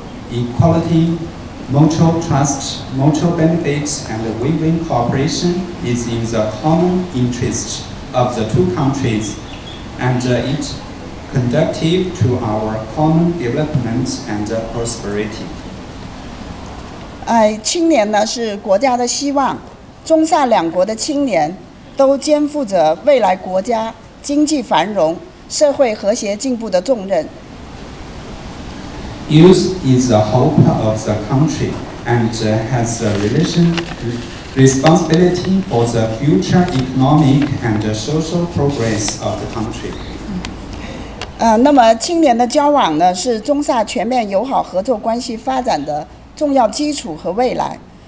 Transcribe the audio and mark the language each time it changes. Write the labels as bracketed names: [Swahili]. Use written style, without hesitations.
[English] Equality, mutual trust, mutual benefits, and win-win cooperation is in the common interest of the two countries, and it conducive to our common development and prosperity. [Chinese] 青年呢是国家的希望, 中萨两国的青年都肩负着未来国家 经济繁荣, 社会和谐进步的重任。 [English] Youth is the hope of the country and has a responsibility for the future economic and social progress of the country. [Chinese] 那么青年的交往呢, 是中萨全面友好合作关系发展的重要基础和未来。